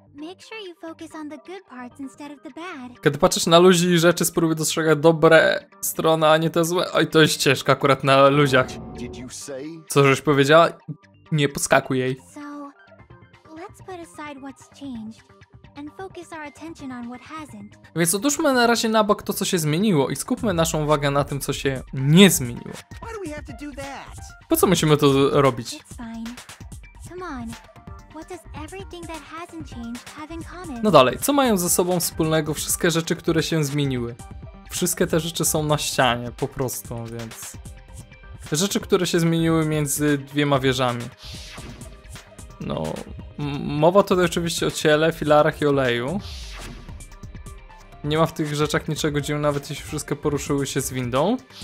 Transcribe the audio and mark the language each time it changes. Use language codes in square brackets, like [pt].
[en] make sure you focus on the good parts instead of the bad. [pl] Kiedy patrzysz na ludzi i rzeczy, spróbuj dostrzegać dobre strony, a nie te złe. Oj, to jest ciężko akurat na ludziach. Co żeś powiedziała? Nie podskakuj jej. [en] So, let's put aside what's changed and focus our attention on what hasn't. [pl] Więc odłóżmy na razie na bok to, co się zmieniło i skupmy naszą uwagę na tym, co się nie zmieniło. [en] Why do we have to do that? [pl] Po co musimy to robić? [en] It's fine. Come on. What does everything that hasn't changed have in common? [pl] No dalej, co mają ze sobą wspólnego wszystkie rzeczy, które się zmieniły? Wszystkie te rzeczy są na ścianie, po prostu, więc... Rzeczy, które się zmieniły między dwiema wieżami. No... Mowa tutaj oczywiście o ciele, filarach i oleju. Nie ma w tych rzeczach niczego dziwnego, nawet jeśli wszystkie poruszyły się z windą.